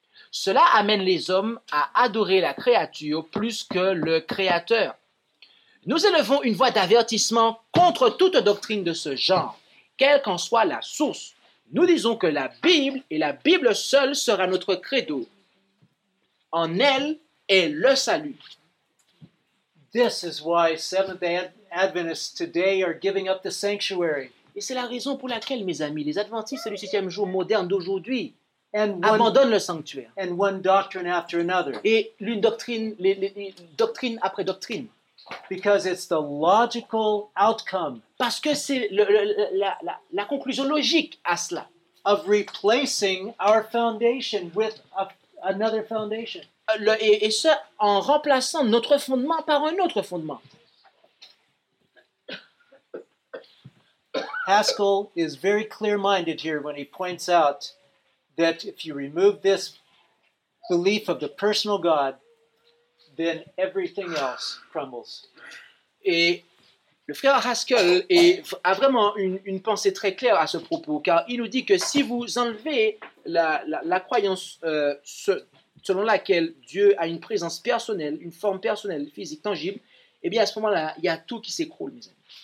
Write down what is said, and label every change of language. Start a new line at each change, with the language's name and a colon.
French: Cela amène les hommes à adorer la créature plus que le créateur. Nous élevons une voix d'avertissement contre toute doctrine de ce genre, quelle qu'en soit la source. Nous disons que la Bible et la Bible seule sera notre credo. En elle est le salut.
English: This is why Seventh-day Adventists today are giving up the sanctuary.
French: Et c'est la raison pour laquelle, mes amis, les Adventistes du septième jour moderne d'aujourd'hui abandonnent le sanctuaire.
English: And one doctrine after another.
French: Et l'une doctrine, doctrine après doctrine.
English: Because it's the logical outcome.
French: Parce que c'est la conclusion logique à cela.
English: Of replacing our foundation with another foundation.
French: Et ce, en remplaçant notre fondement par un autre fondement.
English: Haskell is very clear-minded here when he points out that if you remove this belief of the personal God, then everything else crumbles.
French: Et le frère Haskell est, a vraiment une pensée très claire à ce propos, car il nous dit que si vous enlevez la croyance selon laquelle Dieu a une présence personnelle, une forme personnelle, physique, tangible, eh bien à ce moment-là, il y a tout qui s'écroule, mes amis.